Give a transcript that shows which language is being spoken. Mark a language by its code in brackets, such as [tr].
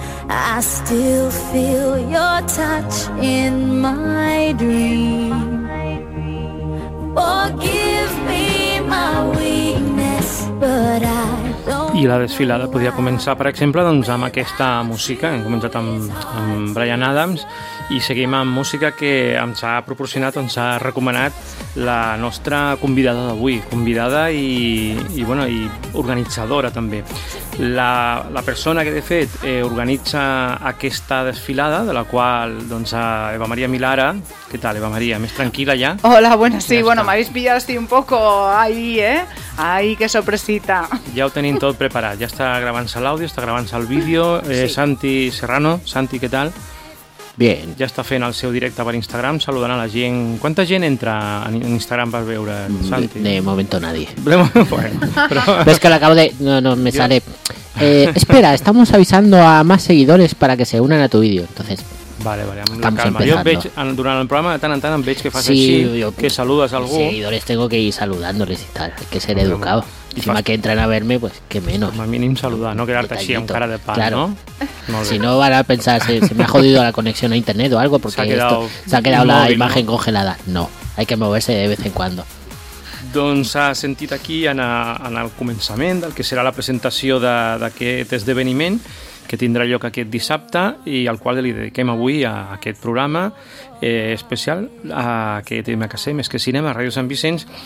[en] I still feel your touch in my dream. Forgive me my weakness, but I don't. [ca] I la desfilada podia començar, per exemple, doncs amb aquesta música. Hem començat amb Bryan Adams i seguim amb música que ens ha proporcionat, ens ha recomanat la nostra convidada d'avui, convidada i organitzadora també. La persona que, de fet, organitza aquesta desfilada, de la qual, doncs, Eva Maria Milara. Què tal, Eva Maria? Més tranquil·la ja? [es] Hola, buenas, sí, ja bueno, m'habéis pillado así un poco ahí, ¿eh? Ay, qué sorpresita. [ca] Ja ho tenim tot preparat. Ja està gravant-se l'àudio, està gravant-se el vídeo. Sí. Santi Serrano, Santi, què tal? [es] Bien. [ca] Ja està fent el seu directe per Instagram, saludant a la gent. Quanta gent entra en Instagram per veure Santi? [es] De momento nadie. Bueno, [ca] però... Ves que l'acabo de... [es] No, me sale. Espera, estamos avisando a más seguidores para que se unan a tu vídeo. Entonces... [ca] Vale, amb la calma. [es] Empezando. [ca] Jo veig, durant el programa, de tant en tant em veig que fas, sí, així, jo, que saludes algú. [es] Seguidores tengo que ir saludándoles y tal, hay que ser educado. Encima fas... que entren a verme, pues que menos. [ca] Com a mínim saludar, no quedar-te així amb [es] cara de pan, claro. ¿No? Si no, van a pensar, se me ha jodido la conexión a internet o algo, porque se ha quedado la móvil, imagen, ¿no?, congelada. No, hay que moverse de vez en cuando. [ca] Doncs ha sentit aquí en el començament del que serà la presentació d'aquest esdeveniment, que tindrà lloc aquest dissabte i al qual li dediquem avui a aquest programa especial a aquest tema que sé, Més que cinema, Ràdio Sant Vicenç.